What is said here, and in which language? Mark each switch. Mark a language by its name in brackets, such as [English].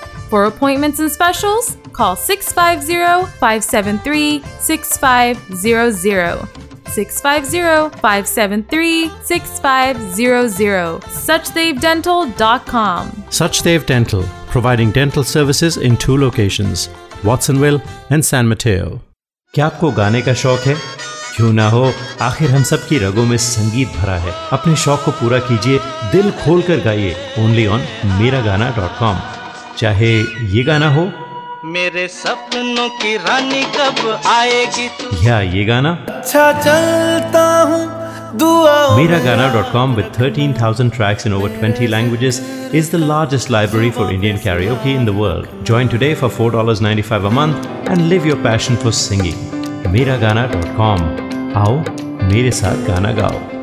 [English] For appointments and specials, call 650-573-6500. 650-573-6500. SachdevDental.com. Sachdev Dental, providing dental services in two locations, Watsonville and San Mateo. [Hindi] क्या आपको गाने का शौक है? क्यों ना हो, आखिर हम सब की रगों में संगीत भरा है. अपने शौक को पूरा कीजिए, दिल खोल कर गाइए. [English] Only on MeraGana.com. [Hindi] चाहे ये गाना हो, मेरे सपनों की रानी कब आएगी तू, या ये गाना अच्छा चलता हूँ दुआ. [English] MeraGana.com with 13,000 tracks in over 20 languages is the largest library for Indian karaoke in the world. Join today for $4.95 a month and live your passion for singing. [Hindi] MeraGana.com. आओ मेरे साथ गाना गाओ.